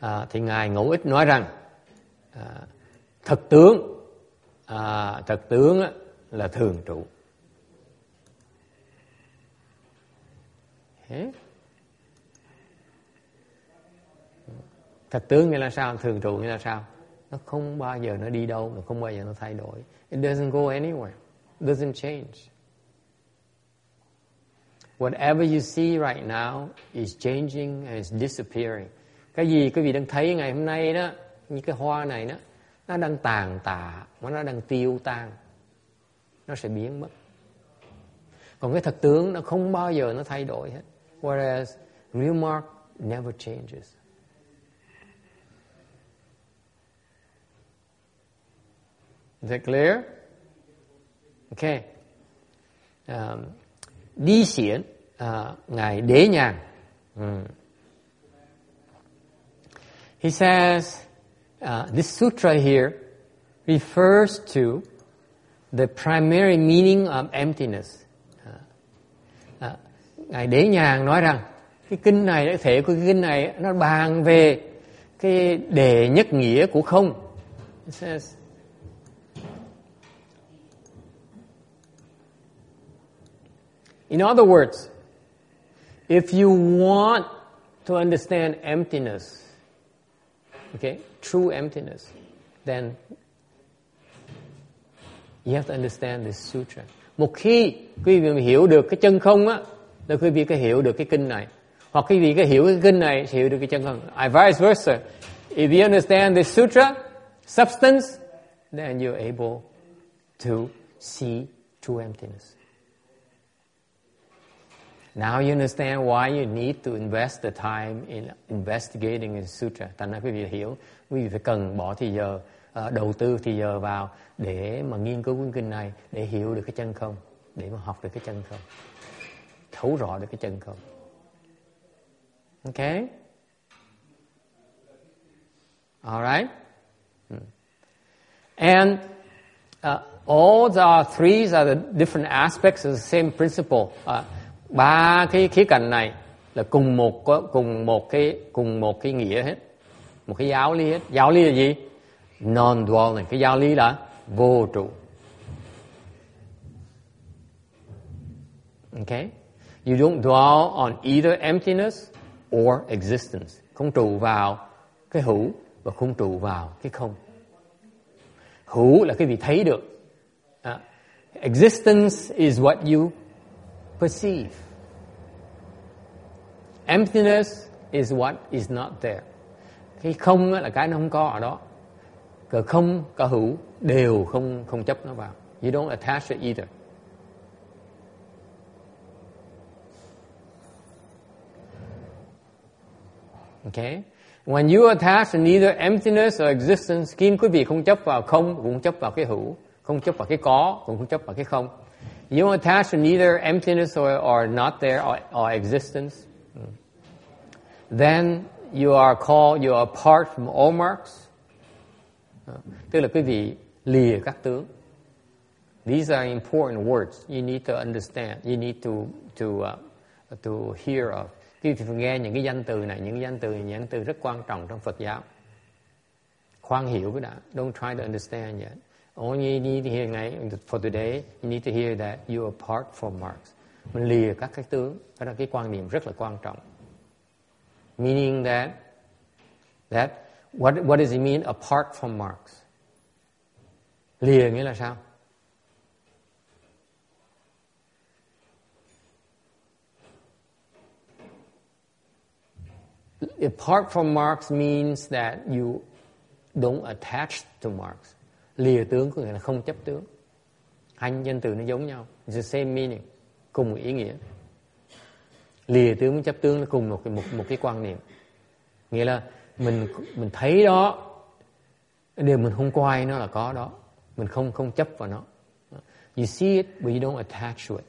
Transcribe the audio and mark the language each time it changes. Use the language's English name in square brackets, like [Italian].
[Vietnamese] Thì Ngài Ngũ Ích nói rằng, thật tướng á, là thường trụ. Thật tướng nghĩa là sao? Thường trụ nghĩa là sao? Nó không bao giờ nó đi đâu, nó không bao giờ nó thay đổi. [English] It doesn't go anywhere. It doesn't change. Whatever you see right now is changing and is disappearing. [Vietnamese] Cái gì quý vị đang thấy ngày hôm nay đó, như cái hoa này đó, nó đang tàn tạ, nó đang tiêu tan. Nó sẽ biến mất. Còn cái thật tướng nó không bao giờ nó thay đổi hết. [English] Whereas real mark never changes. Is that clear? Okay. [Vietnamese] Đi xiển, ngài Đế Nhàn. [English] He says, this sutra here refers to the primary meaning of emptiness. [Vietnamese] Ngài Đế Nhàn nói rằng, cái kinh này, cái thể của cái kinh này, nó bàn về cái đề nhất nghĩa của không. [English] He says, in other words, if you want to understand emptiness, okay, true emptiness, then you have to understand this sutra. [Vietnamese] Một khi quý vị hiểu được cái chân không á, là quý vị có hiểu được cái kinh này. Hoặc quý vị có hiểu cái kinh này, hiểu được cái chân không. [English] I vice versa. If you understand this sutra, substance, then you're able to see true emptiness. Now you understand why you need to invest the time in investigating this sutra. [Vietnamese] Thành ra quý vị hiểu, quý vị phải cần bỏ thời giờ, đầu tư thời giờ vào để mà nghiên cứu cuốn kinh này, để hiểu được cái chân không, để mà học được cái chân không, thấu rõ được cái chân không. [English] Okay? Alright? And all the three are the different aspects of the same principle. [Vietnamese] Ba cái khía cạnh này là cùng một cái nghĩa hết, một cái giáo lý hết. Giáo lý là gì? Non-dwelling. Cái giáo lý là vô trụ. [English] Okay, you don't dwell on either emptiness or existence. [Vietnamese] Không trụ vào cái hữu và không trụ vào cái không. Hữu là cái gì thấy được. [English] Existence is what you perceive. Emptiness is what is not there. [Vietnamese] Cái không là cái nó không có ở đó. Cả không, cả hữu đều không không chấp nó vào. [English] You don't attach it either. Okay. When you attach neither emptiness or existence, [Vietnamese] khi quý vị không chấp vào không, cũng chấp vào cái hữu, không chấp vào cái có, cũng không chấp vào cái không. [English] You don't attach neither emptiness or not there or existence. Then you are called, you are apart from all marks. [Vietnamese] Tức là quý vị lìa các tướng. [English] These are important words you need to understand. You need to hear of. [Vietnamese] Quý vị phải nghe những cái danh từ này, những danh từ rất quan trọng trong Phật giáo. Khoan hiểu cái đã. [English] Don't try to understand yet. All you need to hear ngay for today, you need to hear that you are apart from marks. [Vietnamese] Mình lìa các tướng. Đó là cái quan niệm rất là quan trọng. [English] Meaning that what does it mean apart from marks? [Vietnamese] Lìa nghĩa là sao? [English] Apart from marks means that you don't attach to marks. [Vietnamese] Lìa tướng có nghĩa là không chấp tướng. Hai danh từ nó giống nhau. [English] It's the same meaning, [Vietnamese] cùng ý nghĩa. Lìa tướng với chấp tướng là cùng một cái quan niệm. Nghĩa là mình thấy đó, điều mình không quay nó là có đó. Mình không chấp vào nó. [English] You see it, but you don't attach to it.